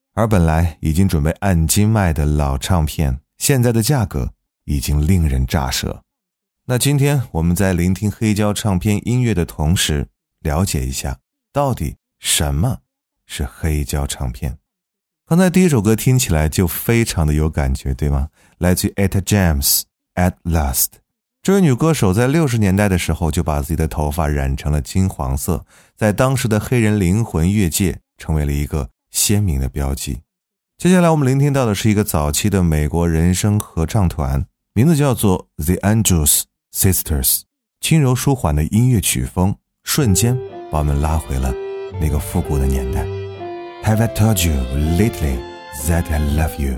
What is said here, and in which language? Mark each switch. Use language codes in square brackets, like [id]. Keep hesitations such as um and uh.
[zh] 而本来已经准备按斤卖的老唱片，现在的价格已经令人咋舌。那今天我们在聆听黑胶唱片音乐的同时，了解一下到底什么是黑胶唱片。刚才第一首歌听起来就非常的有感觉，对吗？来自 Etta James《At Last》。这位女歌手在六十年代的时候就把自己的头发染成了金黄色，在当时的黑人灵魂乐界成为了一个。鲜明的标记。接下来我们聆听到的是一个早期的美国人声合唱团，名字叫做 The Andrews Sisters。轻柔舒缓的音乐曲风，瞬间把我们拉回了那个复古的年代。 [en] Have I told you lately that I love you?